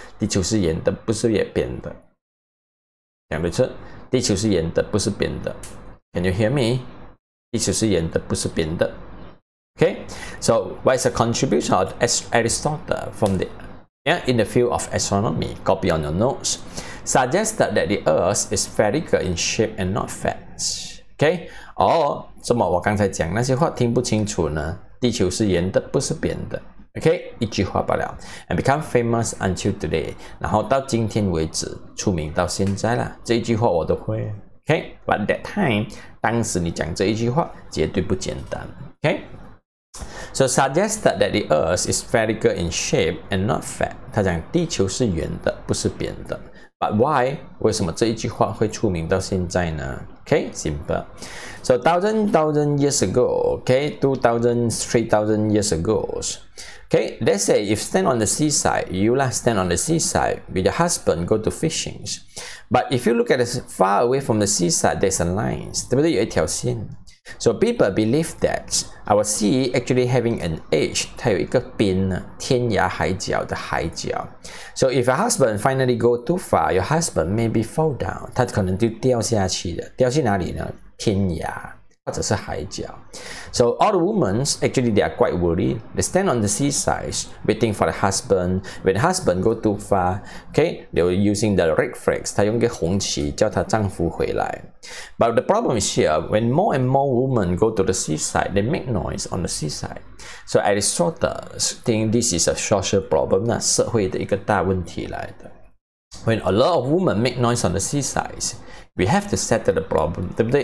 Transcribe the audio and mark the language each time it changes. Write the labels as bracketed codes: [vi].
[zh] 地球是圆的，不是也扁的。讲得出，地球是圆的，不是扁的。 [en] Can you hear me? [zh] 地球是圆的，不是扁的。 [en] Okay, so what is the contribution of Aristotle from the in the field of astronomy? Copy on your notes. Suggest that the Earth is spherical in shape and not flat. Okay? [zh] Or, 这么我刚才讲那些话听不清楚呢？地球是圆的，不是扁的。Okay? 一句话罢了。 [en] And become famous until today. [zh] 然后到今天为止，出名到现在啦。这一句话我都会。Okay? [en] But that time, [zh] 当时你讲这一句话，绝对不简单。Okay? [en] So suggest that the Earth is spherical in shape and not flat. [zh] 他讲地球是圆的，不是扁的。 [en] But why? [zh] 为什么这一句话会出名到现在呢? [en] Okay, simple. So 1,000 years ago, okay, 2,000, 3,000 years ago. Okay, let's say if stand on the seaside, you lah stand on the seaside with your husband go to fishing. But if you look at it far away from the seaside, there's a line. [zh] 对不对？有一条线。 [en] So people believe that our sea actually having an edge, [zh] 它有一个边呢，天涯海角的海角。 [en] So if your husband finally go too far, your husband maybe fall down, [zh] 他可能就掉下去了。掉去哪里呢？天涯。或者是海角。 [en] So all the women, actually they are quite worried. They stand on the seaside waiting for the husband. When the husband go too far, okay, they were using the red flags. [zh] 她用个红旗叫她丈夫回来。 [en] But the problem is here, when more and more women go to the seaside, they make noise on the seaside. So Aristotle think this is a social problem, [zh] 那社会的一个大问题来的。 [en] When a lot of women make noise on the seaside,We have to settle the problem, [zh] 对不对？